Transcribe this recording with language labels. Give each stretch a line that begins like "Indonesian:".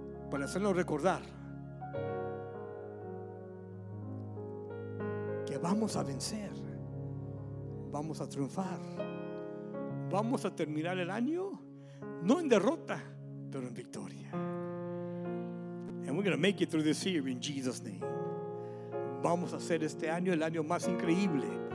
Spanish: Para hacernos recordar que vamos a vencer, vamos a triunfar, vamos a terminar el año no en derrota, pero en victoria.
English: And we're going to make it through this year in Jesus' name.
Spanish: Vamos a hacer este año el año más increíble.